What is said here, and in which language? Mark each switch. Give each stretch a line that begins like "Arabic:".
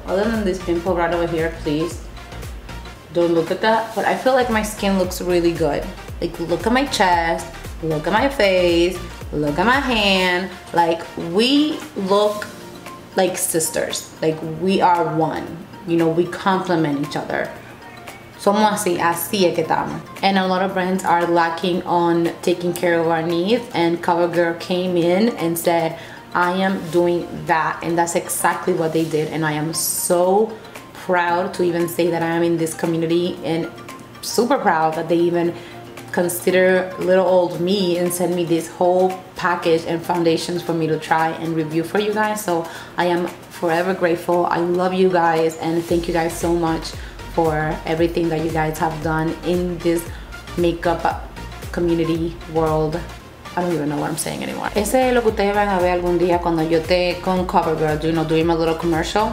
English: Other than this pimple right over here, please don't look at that. But I feel like my skin looks really good. Like, look at my chest, look at my face, look at my hand. Like, we look like sisters. Like, we are one. You know, we complement each other.
Spanish: Somos así, así es que estamos.
English: And a lot of brands are lacking on taking care of our needs, and CoverGirl came in and said, I am doing that, and that's exactly what they did, and I am so proud to even say that I am in this community, and super proud that they even consider little old me and send me this whole package and foundations for me to try and review for you guys. So I am forever grateful. I love you guys, and thank you guys so much for everything that you guys have done in this makeup community world. I don't even know what I'm saying anymore.
Spanish: Ese es lo que ustedes van a ver algún día cuando yo esté con CoverGirl,
English: you know, doing my little commercial.